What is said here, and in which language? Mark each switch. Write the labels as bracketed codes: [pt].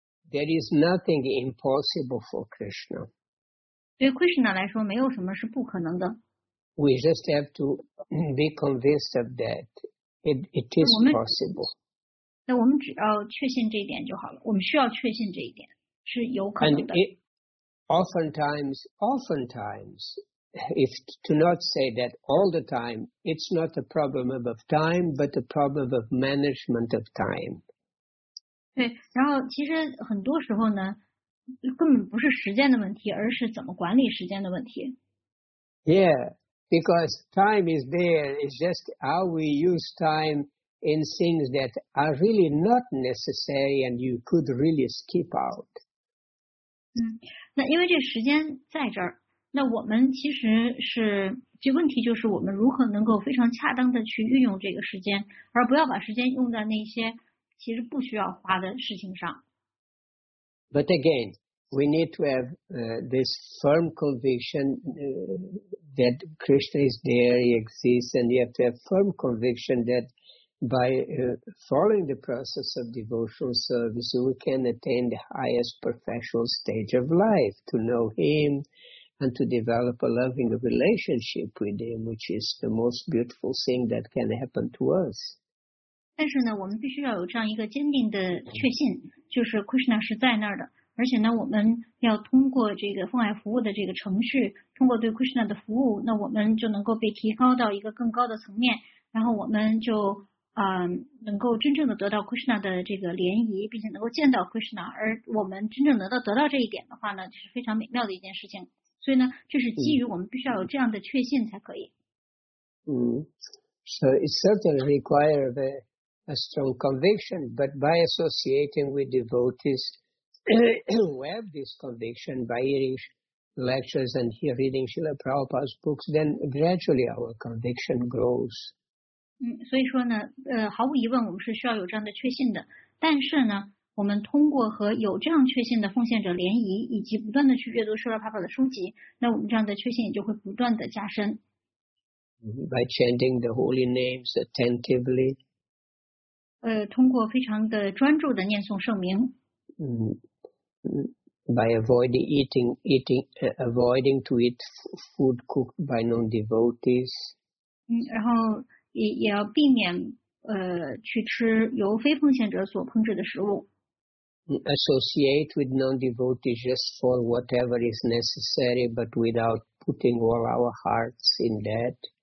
[en] There is nothing impossible for Krishna. [zh] 对 Krishna 来说，没有什么是不可能的。 [en] We just have to be convinced of that. It is possible. [zh] 那我们只要确信这一点就好了。我们需要确信这一点是有可能的。 [en] And oftentimes. If to not say that all the time, it's not a problem of time, but a problem of management of time. [zh] 对，然后其实很多时候呢，根本不是时间的问题，而是怎么管理时间的问题。 [en] Yeah, because time is there. It's just how we use time in things that are really not necessary and you could really skip out. [zh] 那因为这时间在这儿，那我们其实是，这问题就是我们如何能够非常恰当的去运用这个时间，而不要把时间用在那些其实不需要花的事情上。 [en] But again, we need to have this firm conviction that Krishna is there, he exists, and you have to have firm conviction that by following the process of devotional service, we can attain the highest professional stage of life, to know him and to develop a loving relationship with him, which is the most beautiful thing that can happen to us. [zh] 但是呢，我们必须要有这样一个坚定的确信，就是 Krishna 是在那儿的，而且呢，我们要通过这个奉爱服务的这个程序，通过对 Krishna 的服务，那我们就能够被提高到一个更高的层面，然后我们就。能够真正的得到 Krishna 的这个涟漪，并且能够见到 Krishna，而我们真正能够得到这一点的话呢，就是非常美妙的一件事情。所以呢，这是基于我们必须要有这样的确信才可以。 [en] So it certainly requires a strong conviction, but by associating with devotees who have this conviction, by hearing lectures and reading Srila Prabhupada's books, then gradually our conviction grows. [zh] 所以说呢，毫无疑问，我们是需要有这样的确信的。但是呢，我们通过和有这样确信的奉献者联谊，以及不断的去阅读舍勒帕帕的书籍，那我们这样的确信也就会不断的加深。 [en] By chanting the holy names attentively. [zh] 通过非常的专注的念诵圣名。 [en] By avoiding to eat food cooked by non-devotees. [zh] 然后。也要避免去吃由非奉献者所烹制的食物。 [en] Associate with non-devotees just for whatever is necessary, but without putting all our hearts in that.